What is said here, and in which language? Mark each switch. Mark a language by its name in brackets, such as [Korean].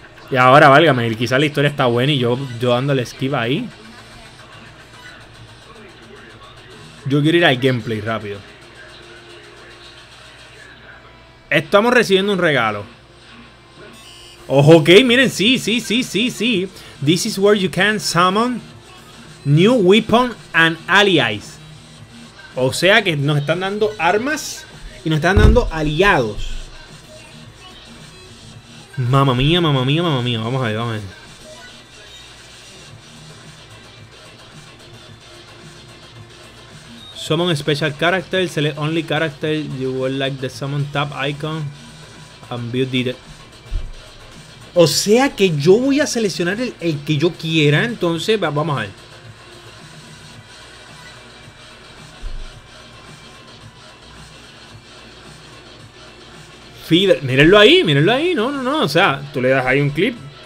[Spanish] Y ahora, válgame, quizás la historia está buena y yo dándole esquiva ahí. Yo quiero ir al gameplay rápido. Estamos recibiendo un regalo. Ojo, ok, miren, sí. [English] This is where you can summon new weapon and allies. [Spanish] O sea que nos están dando armas y nos están dando aliados. Mamma mía. Vamos a ver. [English] Summon a special character. Select only character you would like the summon tab icon and build it. [Spanish] O sea que yo voy a seleccionar el que yo quiera. Entonces, vamos a ver. Fidel. Mírenlo ahí, mírenlo ahí. No, no, no. O sea, tú le das ahí un clip.